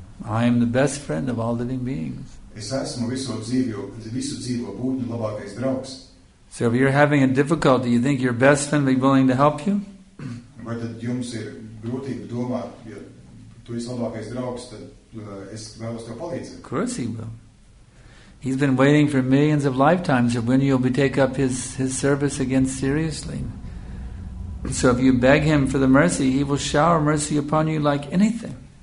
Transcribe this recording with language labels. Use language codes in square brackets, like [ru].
[en] I am the best friend of all living beings. [lv] Es esmu visu dzīvo būtņu labākais draugs. [en] So if you're having a difficulty, you think your best friend will be willing to help you? [lv] Vai tad jums ir grūtība domāt, ja tu esi labākais draugs, tad es vēlos tev palīdzēt. [en] Of course he will. He's been waiting for millions of lifetimes of when you'll be take up his service again seriously. So if you beg him for the mercy, he will shower mercy upon you like anything.